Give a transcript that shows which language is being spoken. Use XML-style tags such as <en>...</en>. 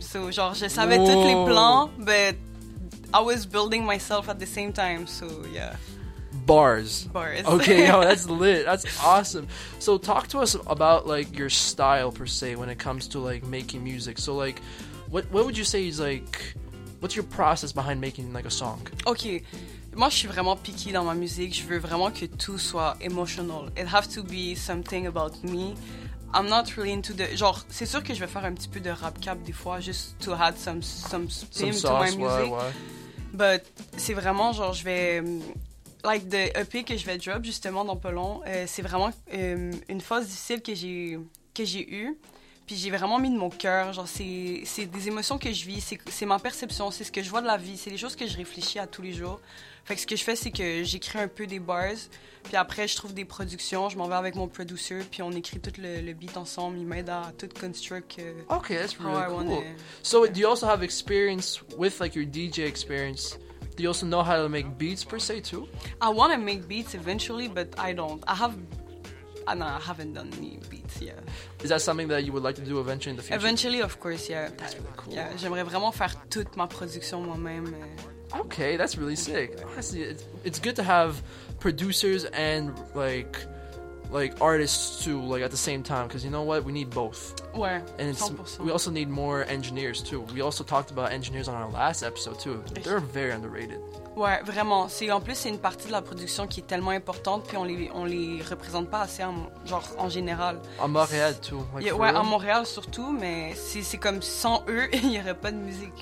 <en>So, genre,</en> <fr>je savais tous les plans,</fr> <en>but I was building myself at the same time, so, yeah. Bars. Okay, yo, that's lit. That's awesome. So talk to us about like your style per se when it comes to like making music. So like what would you say is like what's your process behind making like a song? Okay.</en> <fr>Moi, je suis vraiment picky dans ma musique. Je veux vraiment que tout soit emotional.</fr> <en>It has to be something about me. I'm not really into the genre.</en> <fr>C'est sûr que je vais faire un petit peu de rap cap des fois</fr> <en>just to add some spin some sauce,</en> <fr>to my music. But c'est vraiment genre je vais like the EP que je vais drop justement dans pas long, c'est vraiment une phase difficile que j'ai eue, puis j'ai vraiment mis de mon cœur, genre c'est des émotions que je vis, c'est ma perception, c'est ce que je vois de la vie, c'est les choses que je réfléchis à tous les jours. Fait que ce que je fais, c'est que j'écris un peu des bars, puis après je trouve des productions, je m'en vais avec mon producer, puis on écrit tout le beat ensemble, il m'aide à tout construire.</fr> <en>Okay, that's really cool. So do you also have experience with like your DJ experience? Do you also know how to make beats per se too? I want to make beats eventually, but I don't. I haven't done any beats yet. Is that something that you would like to do eventually in the future? Eventually, of course, yeah. That's really cool.</en> <fr>Yeah, j'aimerais vraiment faire toute ma production moi-même.</fr> <en>Okay, that's really sick. Honestly, it's good to have producers and like artists too, like at the same time, because you know what, we need both. Where? And it's, 100%. We also need more engineers too. We also talked about engineers on our last episode too. They're very underrated.</en> <fr>Ouais, vraiment. C'est en plus c'est une partie de la production qui est tellement importante, puis on les représente pas assez en général. À Montréal too. Like, yeah, ouais, à Montréal surtout, mais c'est comme sans eux, il y aurait pas de musique.</fr>